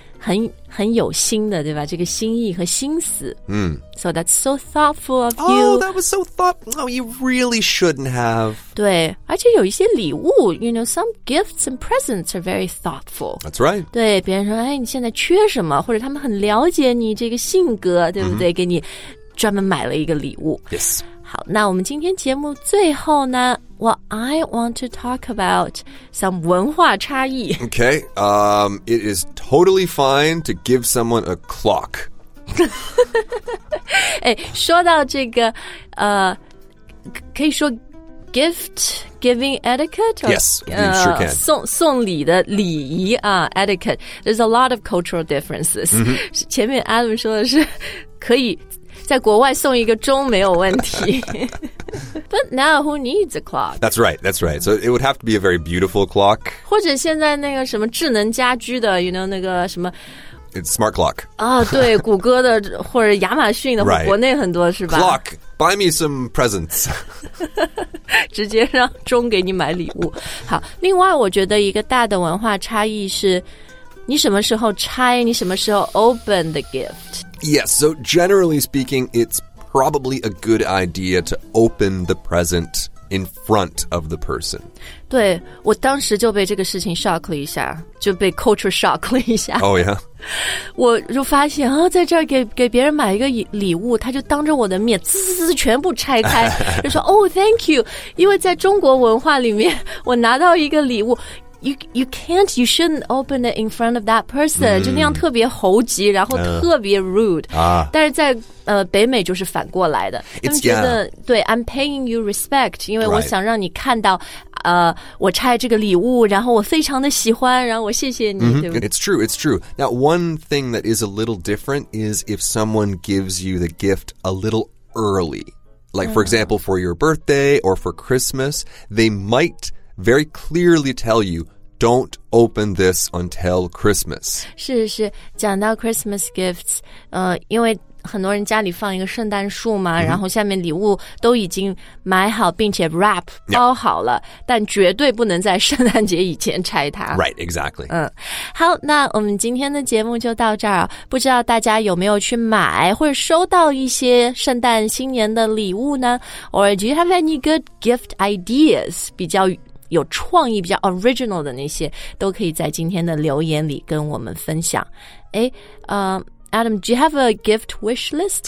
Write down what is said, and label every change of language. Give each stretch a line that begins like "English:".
Chinese: 很有心的对吧这个心意和心思、 mm.
English: So that's so thoughtful of you Oh that was so thoughtful Oh you really shouldn't have
Chinese: 对而且有一些礼物
English: You know some gifts and presents are very thoughtful That's right
Chinese: 对别人说哎，你现在缺什么或者他们很了解你这个性格对不对、mm-hmm. 给你专门买了一个礼物
English: Yes
Chinese: 好那我们今天节目最后呢
English: Well I want to talk about some
Chinese: 文化差异
English: Okay it isTotally fine to give someone a clock.
Chinese: 哎，说到这个，可以说
English: gift giving etiquette. Or, yes, you sure can.
Chinese: 送礼的礼仪啊、etiquette.
English: There's a lot of cultural differences.、 Mm-hmm.
Chinese: 前面 Adam 说的是可以在国外送一个钟没有问题。
English: But now, who needs a clock? That's right, that's right. So it would have to be a very beautiful clock.
Chinese: 或者现在那个什么智能家居的 you know, 那个什么
English: It's smart clock.
Chinese: 啊、oh, 对谷歌的或者亚马逊的、
English: right.
Chinese: 国内很多是吧
English: Clock, buy me some presents.
Chinese: 直接让钟给你买礼物。好另外我觉得一个大的文化差异是你什么时候拆你什么时候
English: open the gift? Yes, so generally speaking, it'sprobably a good idea to open the present in front of the person.
Chinese: 对,我当时就被这个事情 shock 了一下,就被 culture shock 了一下。
English: Oh yeah?
Chinese: 我就发现,啊,在这儿给别人买一个礼物,他就当着我的面,滋滋滋全部拆开,就说 ,
English: oh, thank you.
Chinese: 因为在中国文化里面,我拿到一个礼物,
English: You can't, you shouldn't open it in front of that person.、
Chinese: Mm. 就那样特别猴急然后特别 rude.、但是在、北美就是反过来的。
English: It's,
Chinese: 他们觉得、
English: yeah.
Chinese: 对
English: I'm paying you respect,
Chinese: 因为我想让你看到、right. 我拆这个礼物然后我非常的喜欢然后我谢谢你。
English: Mm-hmm. 对吧 it's true, it's true. Now, one thing that is a little different is if someone gives you the gift a little early. Like, for example, for your birthday or for Christmas, they might... very clearly tell you, don't open this until Christmas.
Chinese: 是是，讲到 Christmas gifts, 因为很多人家里放一个圣诞树嘛、mm-hmm. 然后下面礼物都已经买好并且 wrap 包好了、yeah. 但绝对不能在圣诞节以前拆它
English: Right, exactly、
Chinese: 嗯、好那我们今天的节目就到这儿不知道大家有没有去买或者收到一些圣诞新年的礼物呢
English: Or do you have any good gift ideas
Chinese: 比较有创意比较 original 的那些都可以在今天的留言里跟我们分享诶Adam,
English: do you have a gift wish list?